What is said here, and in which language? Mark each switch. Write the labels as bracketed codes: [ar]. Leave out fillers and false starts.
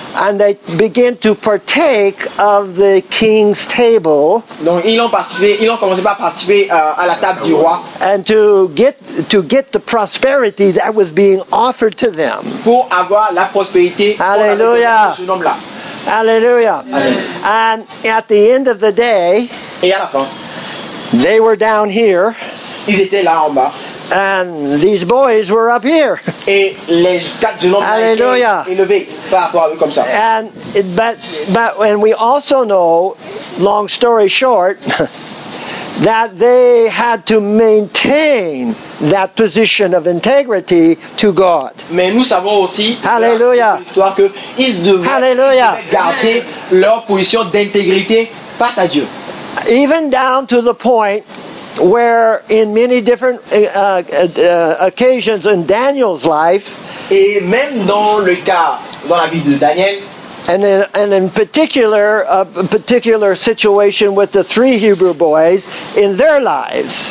[en] And they begin to partake of the king's table. [fr] Donc ils ont commencé par participer à la table du roi. [en] And to get the prosperity that was being offered to them. [fr] Pour avoir la prospérité. [en] Alléluia. Alléluia. And at the end of the day, [fr] et à la fin, [en] they were down here. [fr] Ils étaient là en bas. [en] And these boys were up here. [fr] Et les quatre jeunes hommes alléluia. Étaient élevés par rapport à eux comme ça. [en] And but and we also know, long story short, that they had to maintain that position of integrity to God. [fr] Mais nous savons aussi hallelujah. L'histoire que ils devaient hallelujah. Garder leur position d'intégrité face à Dieu. [en] Even down to the point. Where in many different occasions in Daniel's life, [fr] et même dans le cas dans la vie de Daniel, [en] and in particular a particular situation with the three Hebrew boys in their lives,